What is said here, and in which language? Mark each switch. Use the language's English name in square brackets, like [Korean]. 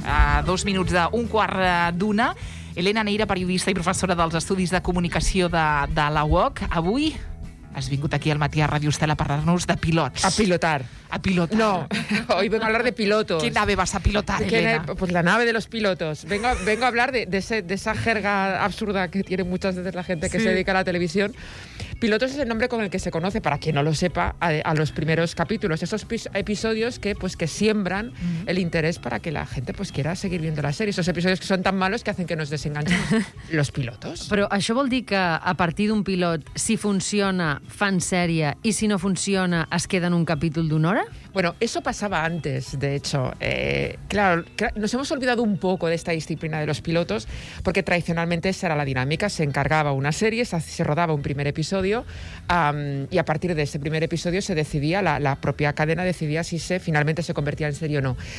[Catalan] A dos minuts d'un quart d'una, Elena Neira, periodista i professora dels Estudis de Comunicació de la UOC, avui has vingut aquí al matí a Ràdio Estel a parlar-nos de pilots. A pilotar. A pilotar. [Spanish] No, hoy vengo a hablar de pilotos. ¿Qué nave vas a pilotar, Elena? Pues la nave de los pilotos. Vengo a hablar de esa jerga absurda que tiene muchas veces la gente que se dedica a la televisión. Pilotos es el nombre con el que se conoce, para quien no lo sepa, a los primeros capítulos. Esos episodios que siembran el interés para que la gente quiera seguir viendo la serie. Esos episodios que son tan malos que hacen que nos desenganchen los pilotos. [Catalan] Però això vol dir que a partir d'un pilot, si funciona, fan sèrie, i si no funciona, es queda en un capítol d'una hora? [Spanish] Bueno, eso pasaba antes, de hecho. Nos hemos olvidado un poco de esta disciplina de los pilotos, porque tradicionalmente esa era la dinámica. Se encargaba una serie, se rodaba un primer episodio, y a partir de ese primer episodio se decidía, la propia cadena decidía si finalmente se convertía en serie o no.